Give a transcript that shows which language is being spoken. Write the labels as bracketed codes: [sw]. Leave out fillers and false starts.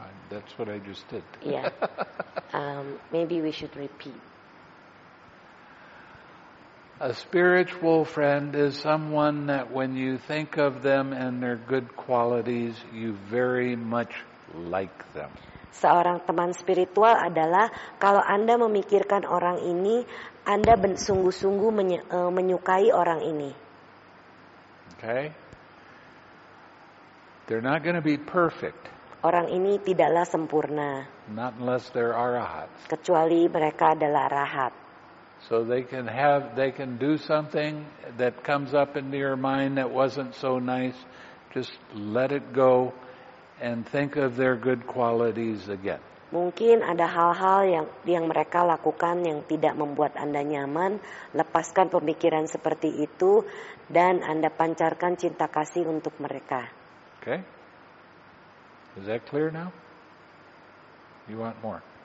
[en] That's what I just did. Yeah. Maybe we should repeat. A spiritual friend is someone that when you think of them and their good qualities, you very much like them. [id] Seorang teman spiritual adalah kalau Anda memikirkan orang ini, Anda sungguh-sungguh menyukai orang ini. [en] Okay. They're not going to be perfect. [id] Orang ini tidaklah sempurna. [en] Not unless they're arahats. [id] Kecuali mereka adalah arahat. [en] So they can do something that comes up into your mind that wasn't so nice. Just let it go. And think of their good qualities again. [id] Mungkin ada hal-hal yang mereka lakukan yang tidak membuat Anda nyaman. Lepaskan pemikiran seperti itu dan Anda pancarkan cinta kasih untuk mereka. [en] Okay. Is that clear now? You want more?